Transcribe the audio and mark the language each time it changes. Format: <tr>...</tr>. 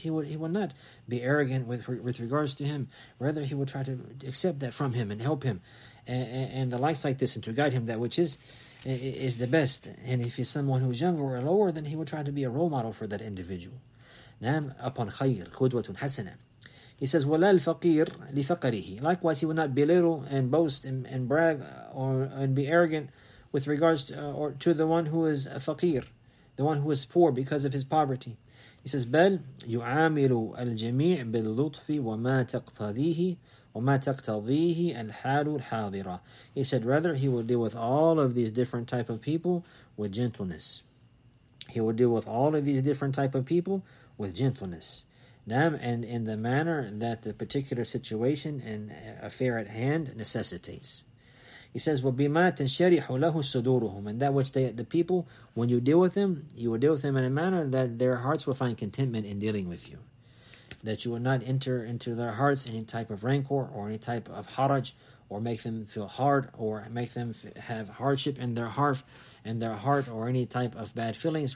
<en>He will not be arrogant with regards to him. Rather, he will try to accept that from him, and help him, and the likes like this, and to guide him, that which is the best. And if he's someone who's younger or lower, then he will try to be a role model for that individual.</en> <ar>Nam</ar> <en>upon</en> <ar>khayr, khudwatun hasana.</ar> <en>He says,</en> <ar>وَلَا الْفَقِيرُ لِفَقَرِهِ.</ar> <en>Likewise, he will not belittle and boast and brag and be arrogant with regards to the one who is a faqir, the one who is poor because of his poverty. He says,</en> <ar>بَلْ يُعَامِلُ الْجَمِيعِ بِاللُّطْفِ وَمَا تَقْتَضِيهِ وَمَا تَقْتَضِيهِ الْحَالُ الْحَاضِرَةِ.</ar> <en>He said, rather, he will deal with all of these different type of people with gentleness. He will deal with all of these different type of people with gentleness. And in the manner that the particular situation and affair at hand necessitates. He says,</en> <ar>وَبِمَا تَنْشَرِحُ لَهُ صُدُورُهُمْ.</ar> <en>And that which the people, when you deal with them, you will deal with them in a manner that their hearts will find contentment in dealing with you. that you will not enter into their hearts any type of rancor or any type of haraj, or make them feel hard, or make them have hardship in their heart, or any type of bad feelings.</en>